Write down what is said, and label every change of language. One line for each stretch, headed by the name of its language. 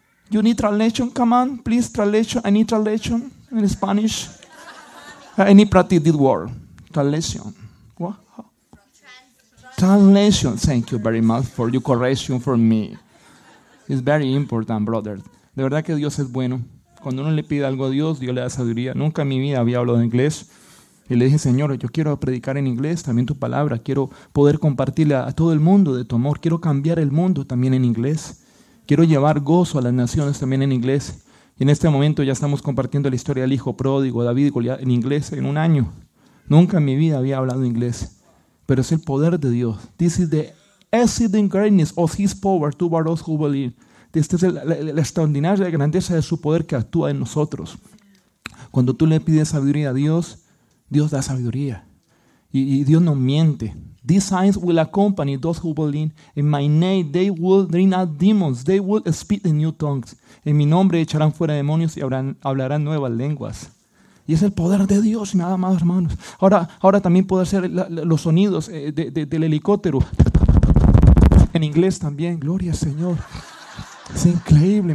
English: You need translation? Come on. Please, translation. I need translation in Spanish. I need practice this word. Translation. What? Translation. Thank you very much for your correction for me.
Spanish: It's very important, brother. De verdad que Dios es bueno. Cuando uno le pide algo a Dios, Dios le da sabiduría. Nunca en mi vida había hablado en inglés. Y le dije, Señor, yo quiero predicar en inglés también tu palabra. Quiero poder compartirle a todo el mundo de tu amor. Quiero cambiar el mundo también en inglés. Quiero llevar gozo a las naciones también en inglés. Y en este momento ya estamos compartiendo la historia del hijo pródigo, David, en inglés en un año. Nunca en mi vida había hablado inglés. Pero es el poder de Dios.
English: This is the exceeding greatness of his power toward us who believe.
Spanish: Esta es la extraordinaria grandeza de su poder que actúa en nosotros. Cuando tú le pides sabiduría a Dios, Dios da sabiduría. Y Dios no miente. These signs will accompany those who believe.
English: In my name they will drive out demons. They will speak in new tongues.
Spanish: En mi nombre echarán fuera demonios y hablarán nuevas lenguas. Y es el poder de Dios, nada más, hermanos. Ahora también puedo hacer los sonidos del helicóptero. En inglés también. Gloria al Señor. Es increíble.